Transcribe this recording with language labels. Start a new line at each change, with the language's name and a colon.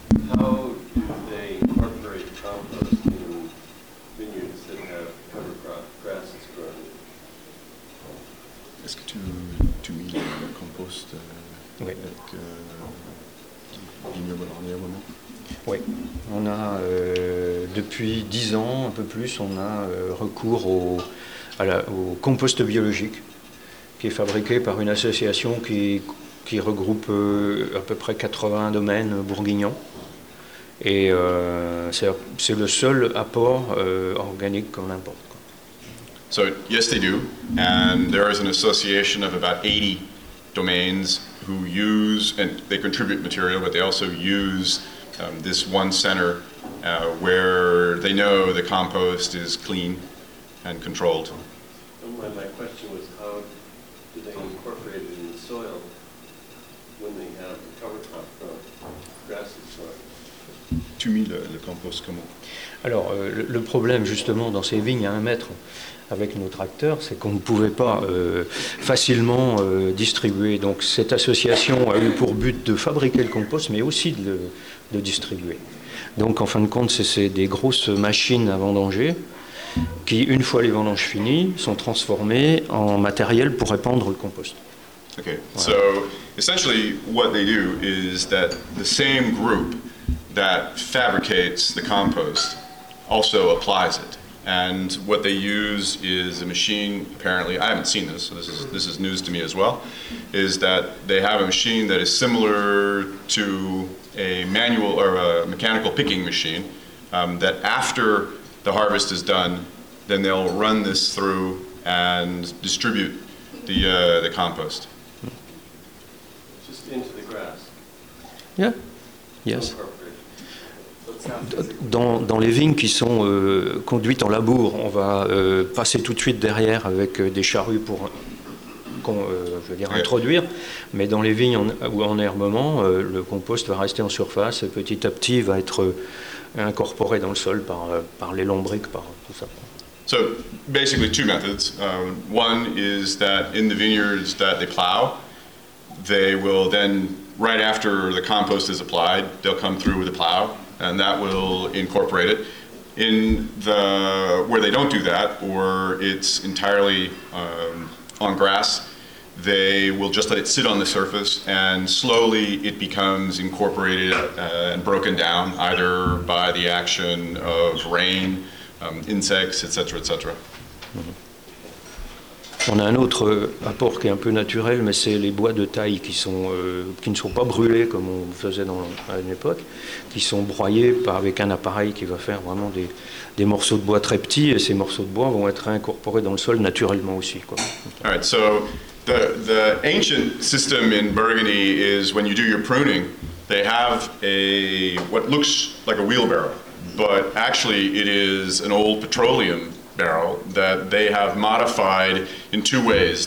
English: How do they incorporate compost in vineyards that have cover crop grasses growing?
French: Est-ce que tu mets le compost avec vignoble en herbement? Oui, on a depuis 10 ans, un peu plus, on a recours au compost biologique qui est fabriqué par une association qui regroupe à peu près 80 domaines bourguignons. Et c'est le seul apport organique qu'on importe. Quoi.
English: So, yes, they do. And there is an association of about 80 domains who use, and they contribute material, but they also use this one center where they know the compost is clean and controlled. And My question was, how do they incorporate it in the soil when they have the cover crop from grasses soil?
French: Tu mets le compost comment? Alors, le problème justement dans ces vignes à un mètre avec nos tracteurs, c'est qu'on ne pouvait pas facilement distribuer. Donc, cette association a eu pour but de fabriquer le compost, mais aussi de le distribuer. Donc, en fin de compte, c'est des grosses machines à vendanger qui, une fois les vendanges finies, sont transformées en matériel pour répandre le compost. OK. Voilà.
English: So, essentially, what they do is that the same group that fabricates the compost also applies it. And what they use is a machine, apparently, I haven't seen this, so this is news to me as well, is that they have a machine that is similar to a manual or a mechanical picking machine that after the harvest is done, then they'll run this through and distribute the compost. Just into the grass? Yeah, yes.
French: Dans les vignes qui sont conduites en labour, on va passer tout de suite derrière avec des charrues pour introduire. Mais dans les vignes en herbement, le compost va rester en surface et petit à petit va être incorporé dans le sol par les lombriques, par tout ça.
English: So, basically, two methods. One is that in the vineyards that they plow, they will then, right after the compost is applied, they'll come through with a plow. And that will incorporate it. In the where they don't do that, or it's entirely on grass, they will just let it sit on the surface, and slowly it becomes incorporated and broken down, either by the action of rain, insects, etc., etc.
French: On a un autre apport qui est un peu naturel, mais c'est les bois de taille qui ne sont pas brûlés comme on faisait à une époque, qui sont broyés avec un appareil qui va faire vraiment des morceaux de bois très petits, et ces morceaux de bois vont être incorporés dans le sol naturellement aussi. Quoi.
English: All right, so the ancient system in Burgundy is when you do your pruning, they have what looks like a wheelbarrow, but actually it is an old petroleum barrel that they have modified in two ways.